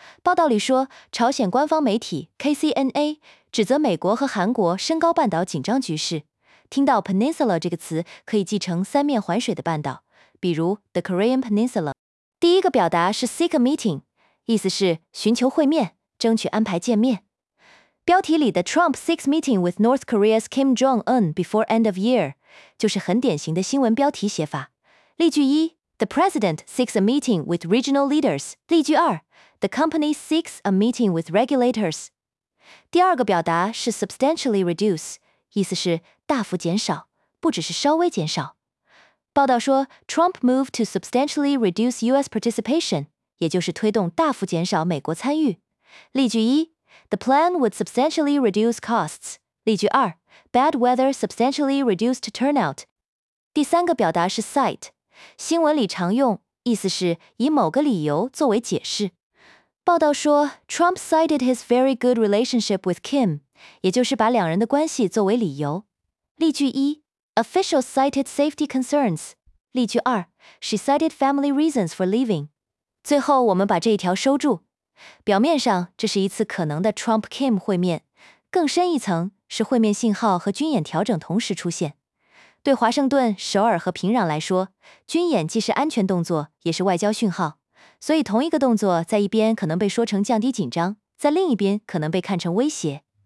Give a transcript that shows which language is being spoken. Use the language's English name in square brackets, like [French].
[Chinese] 报道里说，朝鲜官方媒体 KCNA 指责美国和韩国升高半岛紧张局势。听到 Peninsula 这个词，可以记成三面环水的半岛，比如 The Korean Peninsula。第一个表达是 seek a meeting， 意思是寻求会面，争取安排见面。标题里的 [English] Trump seeks meeting with North Korea's Kim Jong-un before end of year， [Chinese] 就是很典型的新闻标题写法。 [English] 例句一， The president seeks a meeting with regional leaders。例句二， The company seeks a meeting with regulators。 [Chinese] 第二个表达是 substantially reduce， 意思是大幅减少，不只是稍微减少。报道说， [English] Trump moved to substantially reduce US participation， [Chinese] 也就是推动大幅减少美国参与。 [English] 例句一， The plan would substantially reduce costs。例句二， Bad weather substantially reduced turnout。 [Chinese] 第三个表达是 cite， 新闻里常用，意思是以某个理由作为解释。报道说， [English] Trump cited his very good relationship with Kim， [Chinese] 也就是把两人的关系作为理由。 [English] 例句一， Officials cited safety concerns。例句二， She cited family reasons for leaving。 [Chinese] 最后我们把这一条收住。表面上这是一次可能的 Trump-Kim 会面，更深一层是会面信号和军演调整同时出现。对华盛顿、首尔和平壤来说，军演既是安全动作，也是外交讯号，所以同一个动作在一边可能被说成降低紧张，在另一边可能被看成威胁。